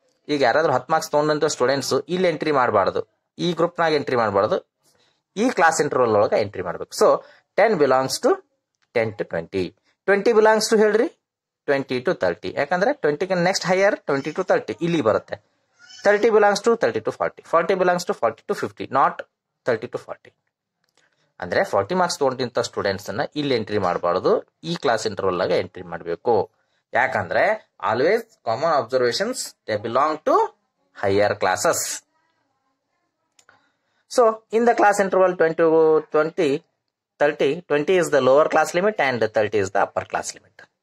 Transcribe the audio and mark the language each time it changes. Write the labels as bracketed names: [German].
[Kannada] ಈಗ ಯಾರಾದ್ರೂ 10 marks ತಗೊಂಡಂತ students ಇಲ್ಲಿ ಎಂಟ್ರಿ ಮಾಡಬಾರ್ದು, ಈ ಗ್ರೂಪ್ ನಾಗ ಎಂಟ್ರಿ ಮಾಡಬಾರ್ದು, ಈ ಕ್ಲಾಸ್ ಇಂಟರ್ವಲ್ ಒಳಗೆ ಎಂಟ್ರಿ ಮಾಡ್ಬೇಕು. [English] So 10 belongs to 10 to 20. 20 belongs to [Kannada] ಹೇಳ್ರಿ [English] 20 to 30, [Kannada] ಯಾಕಂದ್ರೆ 20 ನೆಕ್ಸ್ಟ್ ಹೈಯರ್ 20 to 30 ಇಲ್ಲಿ ಬರುತ್ತೆ. [English] 30 belongs to 30 to 40, 40 belongs to 40 to 50, not 30 to 40. [Kannada] ಅಂದ್ರೆ 40 marks ತಗೊಂಡಿಂತ ಸ್ಟೂಡೆಂಟ್ಸ್ ಅನ್ನ ಇಲ್ಲಿ ಎಂಟ್ರಿ ಮಾಡಬಾರ್ದು, ಈ ಕ್ಲಾಸ್ ಇಂಟರ್ವಲ್ ಆಗ ಎಂಟ್ರಿ ಮಾಡಬೇಕು. [English] ಯಾಕಂದ್ರೆ always common observations they belong to higher classes. So in the class interval 20 is the lower class limit and 30 is the upper class limit.